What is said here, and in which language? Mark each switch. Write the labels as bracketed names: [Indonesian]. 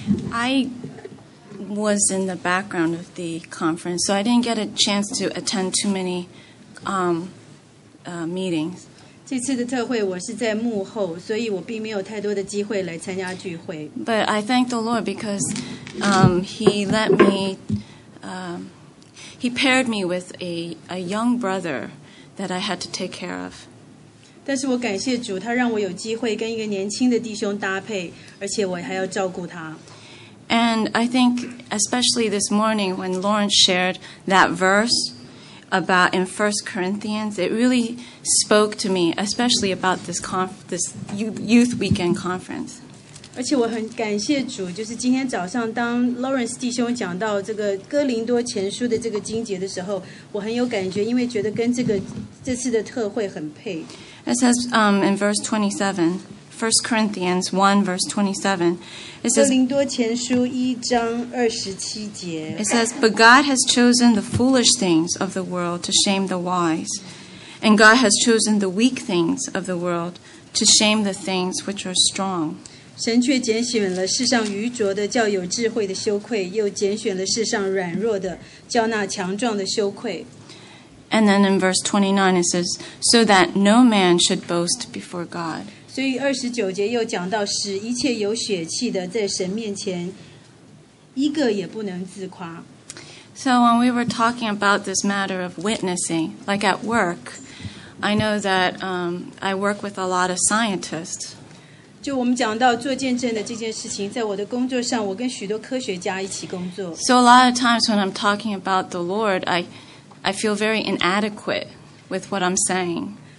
[English] I was in the background of the conference, so I didn't get a chance to attend too many meetings. [Chinese] 这次的特会我是在幕后，所以我并没有太多的机会来参加聚会。 [English] But I thank the Lord because He let me, He paired me with a young brother that I had to take care of. [Chinese] 但是我感谢主，他让我有机会跟一个年轻的弟兄搭配，而且我还要照顾他。 [English] And I think, especially this morning, when Lawrence shared that verse about in 1 Corinthians, it really spoke to me, especially about this youth weekend conference. [Chinese] 而且我很感谢主，就是今天早上当 Lawrence 弟兄讲到这个哥林多前书的这个经节的时候，我很有感觉，因为觉得跟这个这次的特会很配。 [English] It says in verse 27, 1 Corinthians 1, verse 27. It says, but God has chosen the foolish things of the world to shame the wise. And God has chosen the weak things of the world to shame the things which are strong. [Chinese] 神却拣选了世上愚拙的，叫有智慧的羞愧， 又拣选了世上软弱的，叫那强壮的羞愧。 [English] And then in verse 29 it says, so that no man should boast before God. [Chinese] 所以29节又讲到使一切有血气的在神面前一个也不能自夸。 [English] So when we were talking about this matter of witnessing, like at work, I know that I work with a lot of scientists. [Chinese] 就我们讲到做见证的这件事情，在我的工作上，我跟许多科学家一起工作。 [English] So a lot of times when I'm talking about the Lord, I feel very inadequate with what I'm saying.